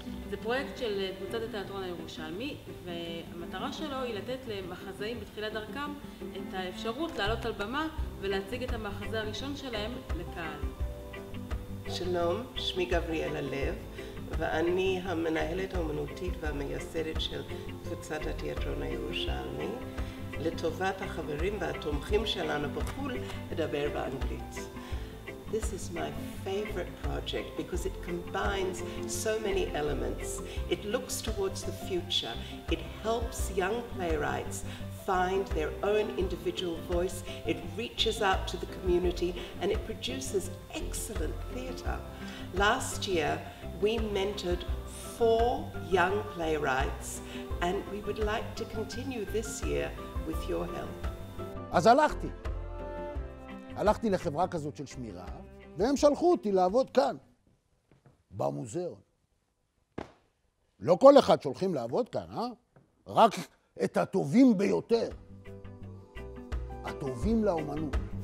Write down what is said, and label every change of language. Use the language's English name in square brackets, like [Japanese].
[Hebrew] זה פרויקט של קבוצת התיאטרון הירושלמי, והמטרה שלו היא לתת למחזאים בתחילת דרכם את האפשרות לעלות על במה ולהציג את המחזה הראשון שלהם לקהל. שלום, שמי גבריאלה לב, ואני המנהלת האומנותית והמייסדת של קבוצת התיאטרון הירושלמי. לטובת החברים והתומכים שלנו בחול, אדבר באנגלית. [English] This is my favorite project because it combines so many elements. It looks towards the future. It helps young playwrights find their own individual voice. It reaches out to the community and it produces excellent theater. Last year, we mentored 4 young playwrights and we would like to continue this year with your help. [Hebrew] אז הלכתי. הלכתי לחברה כזאת של שמירה. והם שלחו אותי לעבוד כאן, במוזיאון. לא כל אחד שולחים לעבוד כאן, אה? רק את הטובים ביותר. הטובים לאומנות.